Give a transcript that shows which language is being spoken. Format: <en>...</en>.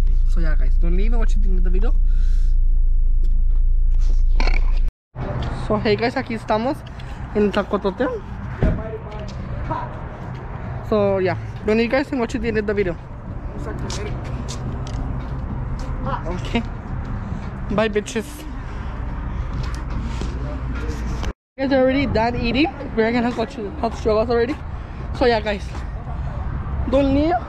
<en>So yeah guys, don't leave and watch it in the video. So hey guys,</en> <es>aquí estamos en el Taco Totem.</es> <en>So, yeah. When you guys can watch it at the end of the video. Okay. Bye, bitches. You guys are already done eating. We're gonna go to the health struggles already. So, yeah, guys. Don't leave.</en>